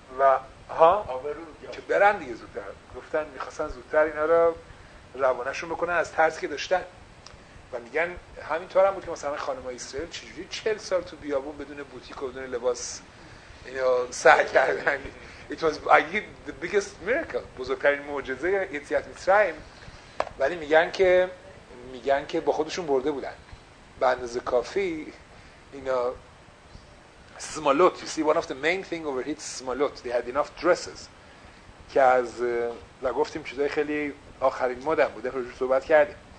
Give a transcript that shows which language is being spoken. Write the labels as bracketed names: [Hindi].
[Persian] و ها که برن دیگه زودتر، گفتن میخواستن زودتر اینا را روانهشون بکنن از ترسی که داشتن. و میگن همینطور هم بود که مثلا خانمای اسرائیل چجوری 40 سال تو بیابون بدون بوتیک و بدون لباس اینا سر کردن. [English] It was the biggest miracle، [Persian] بزرگترین معجزه [English] یتیات مصرایم. [Persian] ولی میگن که با خودشون برده بودن به اندازه کافی اینا سمالوت. [English] You see, one of the main thing over here is سمالوت. They had enough dresses. [Persian] که از لگفتیم چیزای خیلی آخرین مدن بوده، رو صحبت کردیم.